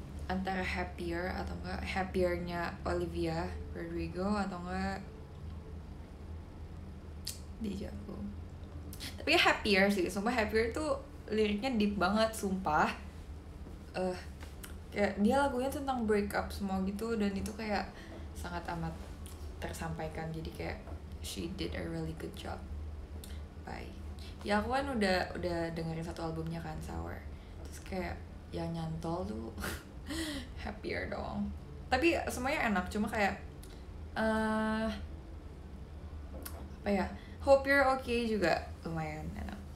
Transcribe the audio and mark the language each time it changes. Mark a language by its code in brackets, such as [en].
[id] Antara Happier atau enggak Happier-nya Olivia Rodrigo atau enggak Deja Vu. Tapi Happier sih, sumpah Happier tuh liriknya deep banget, sumpah. Kayak dia lagunya tentang breakup semua gitu, dan itu kayak sangat amat tersampaikan. Jadi kayak [en] she did a really good job. Bye. [id] Ya aku kan udah dengerin satu albumnya kan, Sour. Terus kayak yang nyantol tuh Happier dong. Tapi semuanya enak, cuma kayak apa ya, Hope You're Okay juga lumayan enak.